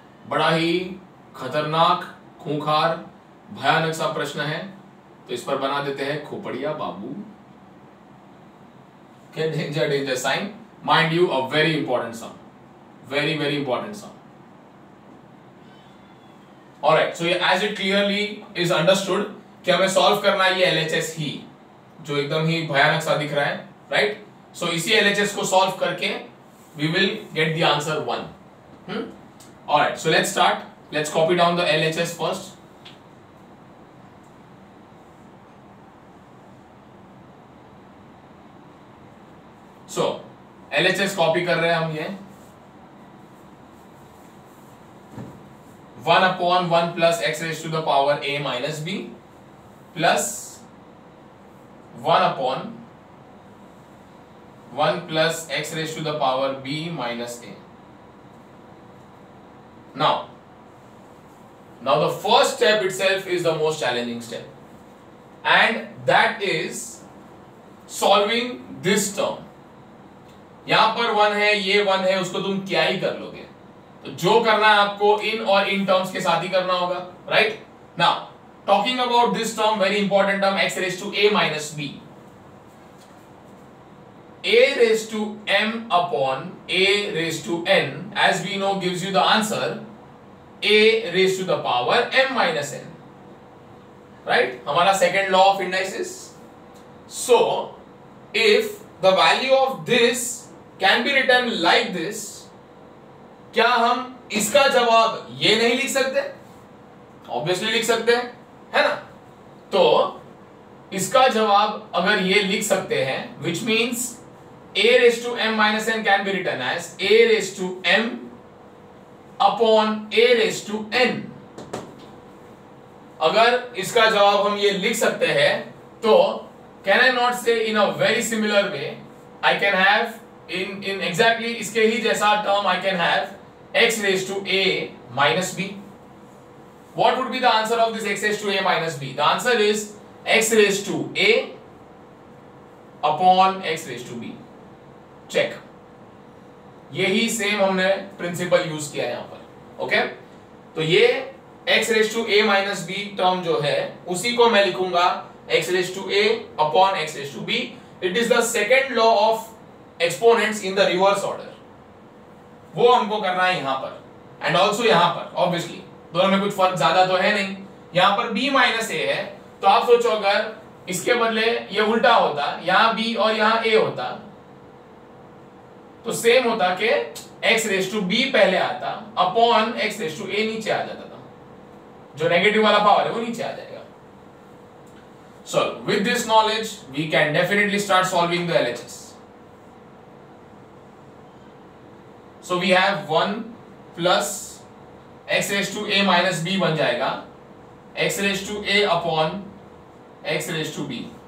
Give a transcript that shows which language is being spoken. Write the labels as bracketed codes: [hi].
[hi] बड़ा ही खतरनाक, खूंखार, भयानक सा प्रश्न है. तो इस पर बना देते हैं खोपड़िया बाबू. [en] Okay, danger, danger sign. Mind you, a very important sum. Very, very important sum. Alright, so as it clearly is understood, [hi] कि हमें सॉल्व करना है ये LHS ही, जो एकदम ही भयानक सा दिख रहा है, right? [en] So [hi] इसी LHS को सॉल्व करके [en] we will get the answer 1. Alright, so let's start. Let's copy down the LHS first. [hi] So, LHS copy कर रहे हैं हम ये. [en] 1 upon 1 plus x raised to the power a minus b plus 1 upon 1 plus x raised to the power b minus a. Now the first step itself is the most challenging step, and that is solving this term. [hi] यहां पर 1 है, ये 1 है, उसको तुम क्या ही कर लोगे. तो जो करना है आपको इन और इन टर्म्स के साथ ही करना होगा, right. [en] Now talking about this term, very important term, x raised to a minus b. a raised to m upon a raised to n, as we know, gives you the answer a raised to the power m minus n, right? [hi] हमारा [en] second law of indices. So, if the value of this can be written like this, [hi] क्या हम इसका जवाब ये नहीं लिख सकते? Obviously लिख सकते हैं, है ना? तो इसका जवाब अगर ये लिख सकते हैं, [en] which means a raised to m minus n can be written as a raised to m upon a raised to n. [hi] अगर इसका जवाब हम ये लिख सकते हैं, तो [en] can I not say in a very similar way, I can have in exactly [hi] इसके ही जैसा [en] term I can have x raised to a minus b. What would be the answer of this x raised to a minus b? The answer is x raised to a upon x raised to b. [hi] Check, यही same हमने principal use किया है यहां पर. Okay, तो ये x raised to a minus b term जो है उसी को मैं लिखूंगा x raised to a upon x raised to b. [en] It is the second law of exponents in the reverse order. [hi] वो हमको करना है यहां पर एंड ऑल्सो यहां पर. ऑब्वियसली दोनों में कुछ फर्क ज्यादा तो है नहीं. यहां पर b माइनस a है, तो आप सोचो अगर इसके बदले ये उल्टा होता, यहां b और यहां a होता, तो सेम होता कि x raised to b पहले आता upon x raised to a नीचे आ जाता था, जो नेगेटिव वाला पावर है वो नीचे आ जाएगा. [en] So with this knowledge we can definitely start solving the LHS. So we have 1 plus x raised to a minus b [hi] बन जाएगा [en] x raised to a upon x raised to b.